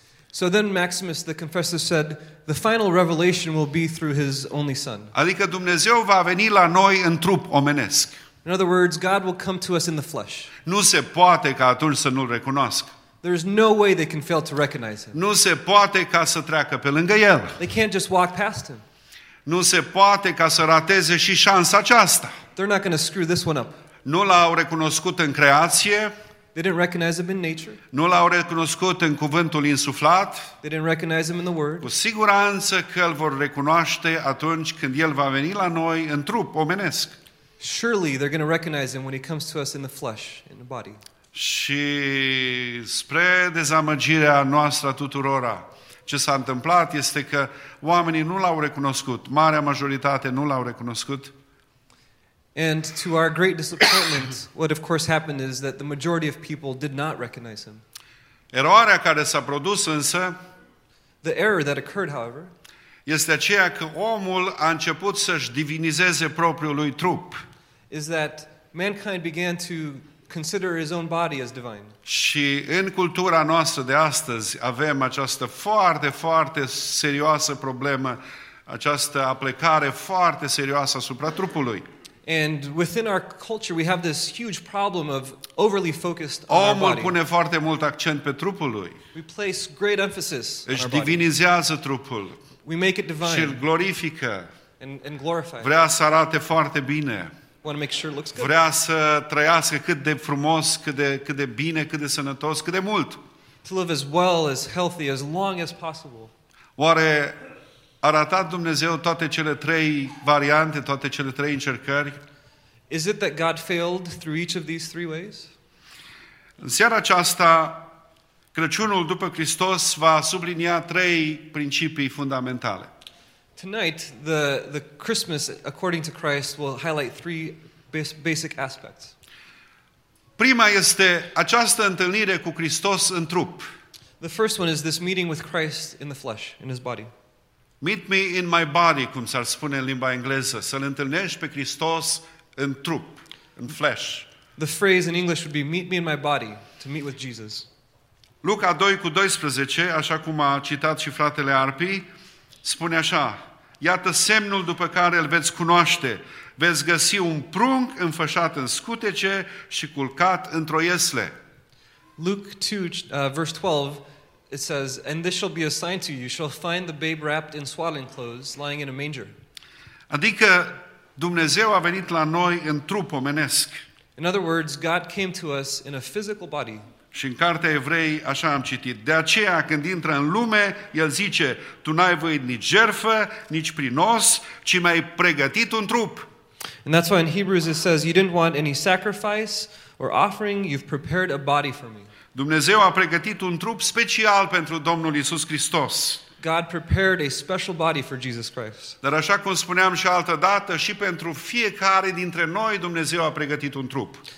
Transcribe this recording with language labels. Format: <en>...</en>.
<en>So then Maximus the Confessor said, the final revelation will be through his only son.</en> <ro>Adică Dumnezeu va veni la noi în trup omenesc.</ro> <en>In other words, God will come to us in the flesh.</en> <ro>Nu se poate ca atunci să nu-L recunoască.</ro> <en>There is no way they can fail to recognize him.</en> <ro>Nu se poate ca să treacă pe lângă el.</ro> <en>They can't just walk past him.</en> <ro>Nu se poate ca să rateze și șansa aceasta.</ro> <en>They're not going to screw this one up.</en> <ro>Nu l-au recunoscut în creație.</ro> <en>They didn't recognize him in nature.</en> <ro>Nu l-au recunoscut în cuvântul insuflat.</ro> <en>They didn't recognize him in the word.</en> <ro>Cu siguranță că îl vor recunoaște atunci când el va veni la noi în trup omenesc.</ro> <en>Surely they're going to recognize him when he comes to us in the flesh, in the body.</en> <ro>Și spre dezamăgirea noastră tuturora, ce s-a întâmplat este că oamenii nu l-au recunoscut, marea majoritate nu l-au recunoscut.</ro> <en>And to our great disappointment, what of course happened is that the majority of people did not recognize him.</en> <ro>Eroarea care s-a produs însă,</ro> <en>the error that occurred, however,</en> <ro>este aceea că omul a început să-și divinizeze propriul lui trup.</ro> <en>Is that mankind began to consider his own body as divine.</en> <ro>Și în cultura noastră de astăzi avem această foarte, foarte serioasă problemă, această aplecare foarte serioasă asupra trupului.</ro> <en>And within our culture we have this huge problem of overly focused on our body.</en> <ro>Omul pune foarte mult accent pe trupul lui.</ro> <en>We place great emphasis on our body.</en> <ro>Își divinizează trupul.</ro> <en>We make it divine.</en> <ro>Și îl glorifică.</ro> <en>And glorify.</en> <ro>Vrea să arate foarte bine.</ro> <en>Want to make sure it looks good.</en> <ro>Vrea să trăiască cât de frumos, cât de bine, cât de sănătos, cât de mult.</ro> <en>To live as well, as healthy, as long as possible.</en> <ro>Oare a ratat Dumnezeu toate cele trei variante, toate cele trei încercări?</ro> <en>Is it that God failed through each of these three ways?</en> <ro>În seara aceasta, Crăciunul după Hristos va sublinia trei principii fundamentale.</ro> <en>Tonight, the Christmas, according to Christ, will highlight three basic aspects.</en> <ro>Prima este această întâlnire cu Hristos în trup.</ro> <en>The first one is this meeting with Christ in the flesh, in his body. Meet me in my body,</en> <ro>cum s-ar spune în limba engleză, să-L întâlnești pe Hristos în trup, în flesh.</ro> <en>The phrase in English would be, meet me in my body, to meet with Jesus.</en> <ro>Luca 2:12, așa cum a citat și fratele Arpi, spune așa, iată semnul după care îl veți cunoaște. Veți găsi un prunc înfășat în scutece și culcat într-o iesle.</ro> <en>Luke 2, verse 12, it says, and this shall be a sign to you, you shall find the babe wrapped in swaddling clothes, lying in a manger.</en> <ro>Adică Dumnezeu a venit la noi în trup omenesc.</ro> <en>In other words, God came to us in a physical body.</en> <ro>Și în Cartea Evrei, așa am citit, de aceea când intră în lume, el zice, tu n-ai voit nici jertfă, nici prinos, ci mi-ai pregătit un trup.</ro> <en>And that's why in Hebrews it says, you didn't want any sacrifice or offering, you've prepared a body for me.</en> <ro>Dumnezeu a pregătit un trup special pentru Domnul Iisus Hristos.</ro> <en>God prepared a special body for Jesus Christ.</en> <ro>Dar așa cum spuneam și altă dată, și pentru fiecare dintre noi Dumnezeu a pregătit un trup.</ro>